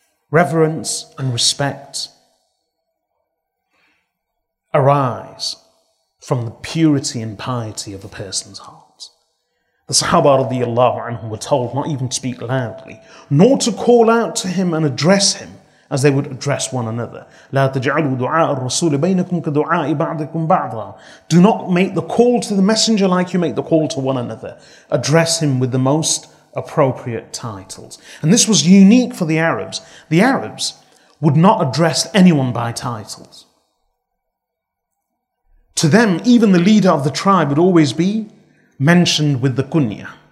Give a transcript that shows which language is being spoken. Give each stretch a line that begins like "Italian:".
English: Reverence and respect arise from the purity and piety of a person's heart. The Sahaba radiallahu anhum were told not even to speak loudly, nor to call out to him and address him as they would address one another.
Arabic: لا تجعلوا دعاء الرسول بينكم كدعاء بعضكم بعضا.
English: Do not make the call to the messenger like you make the call to one another. Address him with the most appropriate titles. And this was unique for the Arabs. The Arabs would not address anyone by titles. To them, even the leader of the tribe would always be mentioned with the kunya.